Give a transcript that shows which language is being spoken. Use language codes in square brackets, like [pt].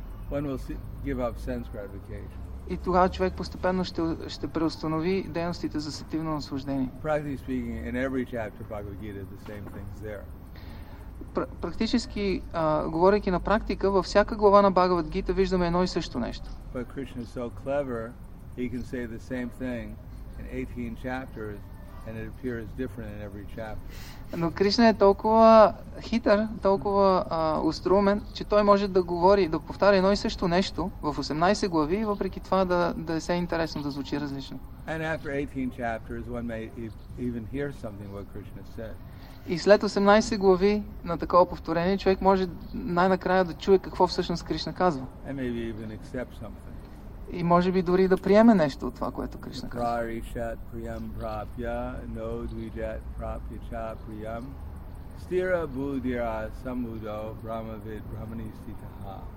[en] one will give up sense gratification. [bg] И тогава човек постепенно ще преустанови дейностите за сетивно наслаждение. [en] Practically speaking, in every chapter of Bhagavad Gita, the same things there. [bg] практически, говорейки на практика, във всяка глава на Бхагавад Гита виждаме едно и също нещо. [en] But Krishna is so clever, he can say the same thing in 18 chapters. And it appears different in every chapter. [bg] Но Кришна е толкова хитър, толкова остроумен, че той може да говори, да повтаря едно и също нещо в 18 глави, въпреки това да е все интересно, да звучи различно. [en] And after 18 chapters, one may even hear something what Krishna said. [bg] И след 18 глави на такова повторение, човек може най-накрая да чуе какво всъщност Кришна казва. [en] And maybe even accept something. [bg] И може би дори да приеме нещо от това, което Кришна казва. [sa] Прарешат приям прапья, но двиджат прапича приям, стира будира самудо брамавид браманиститаха.